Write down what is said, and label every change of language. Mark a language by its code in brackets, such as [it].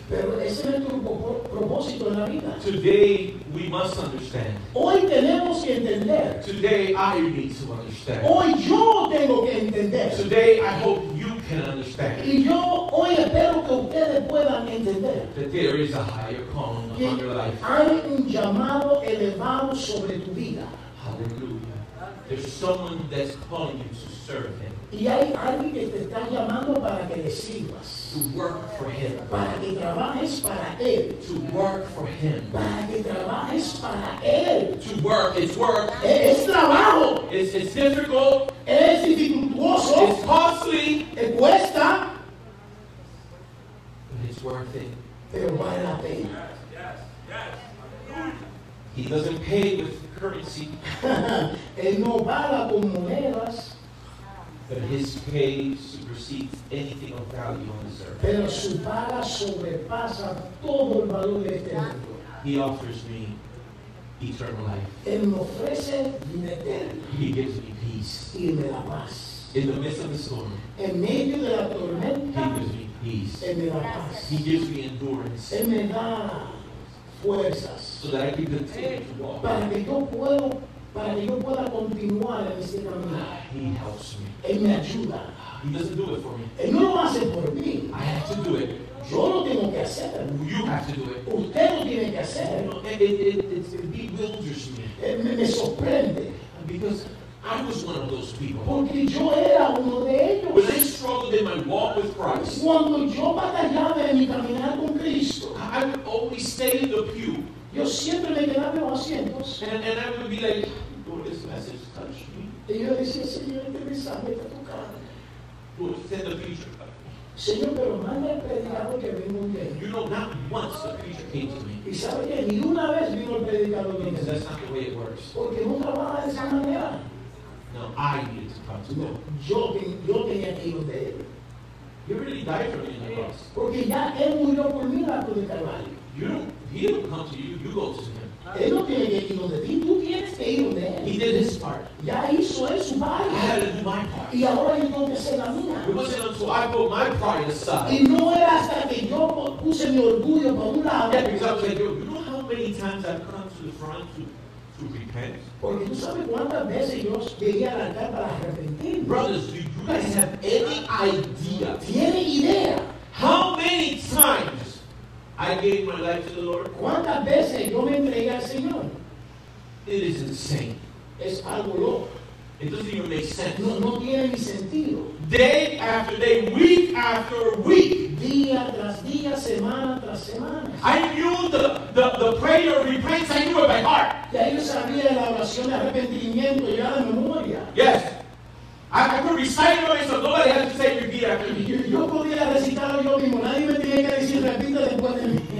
[es] Pero ese no es tu propósito en la vida. [en] Today we must understand. [es] Hoy tenemos que entender. [en] Today I need to understand. [es] Hoy yo tengo que entender. [en] Today I hope you can understand. [es] Y yo hoy espero que ustedes puedan entender. [en] That there is a higher calling upon your life. [es] Hay un llamado elevado sobre tu vida. [en] Hallelujah. There's someone that's calling you to serve him. [es] Y hay alguien que te está llamando para que le sirvas. [en] To work for him. [es] Para que trabajes para él. [en] To work for him. [es] Para que trabajes para él. [en] To work, it's work. [es] Es trabajo. [en] It's difficult. [es] Es dificultoso. [en] It's costly. [es] Te cuesta. [en] But it's worth it. [es] Pero vale la pena. [en] He doesn't pay with currency. [es] Él no paga con monedas. [en] But his pay supersedes anything of value on this earth. [es] Pero su paga sobrepasa todo el valor de este mundo. [en] He offers me eternal life. [es] Él me ofrece vida eterna. [en] He gives me peace. [es] Y me da paz. [en] In the midst of the storm. [es] En medio de la tormenta. [en] He gives me peace. [es] Él me da paz. [en] He gives me endurance. [es] Él me da fuerzas. [en] So that I can continue to walk. [es] Para que yo puedo para que yo pueda continuar en este camino. [en] He helps me. [es] Él me ayuda. [en] He doesn't do it for me. [es] Él no lo hace por mí. [en] I have to do it. [es] Yo lo tengo que hacer. [en] You have to do it. [es] Usted lo tiene que hacer. [en] You know, it bewilders me. [es] Me sorprende. [en] Because I was one of those people. [es] Porque yo era uno de ellos. [en] When I struggled in my walk with Christ. [es] Cuando yo batallaba en mi caminar con Cristo. [en] I would always stay in the pew. [es] Yo siempre me quedaba en los asientos. [en] And I would be like, Lord, this message touched me. [es] Y yo decía, Señor, este mensaje está tocando. [en] Lord, send the preacher. [es] Señor, pero manda el predicador que vino un día. [en] You know, not once the preacher came to me. [es] Y sabe que ni una vez vino el predicador que vino. [en] That's not the way it works. [es] Porque no trabaja de esa manera. [en] No, I need to come to no. [es] Yo tenía que ir de él. [en] He really died for me in the cross. [es] Porque ya él murió por mí la cruz de Calvario. [en] He don't come to you, you go to him. [es] Él no tiene que ir donde ti, tú tienes que ir donde él. [en] He did his part. [es] Ya hizo él su parte. [en] I had to do my part. [es] Y ahora yo tengo que hacer la mía. [en] It wasn't until I put my pride aside. [es] Y no era hasta que yo puse mi orgullo por un lado. [en] Yeah, because I'm saying, you know how many times I've come to the front to repent? [es] Porque tú sabes cuántas veces yo llegué a la cara para arrepentir. [en] Brothers, do you guys have any idea? [es] ¿Tiene idea? [en] How many times I gave my life to the Lord? [es] ¿Cuántas veces yo me entregué al Señor? [en] It is insane. [es] Es algo loco. [en] It doesn't even make sense. [es] No tiene ni sentido. [en] Day after day, week after week. [es] Día tras día, semana tras semana. [en] I knew the prayer of repentance, I knew it by heart. [es] Ya yo sabía la oración de arrepentimiento ya de memoria. [en] Yes. I could recite it, so nobody has to say repeat after me. [es] Yo podía recitarlo yo mismo. Nadie me tiene que decir repita después de mí.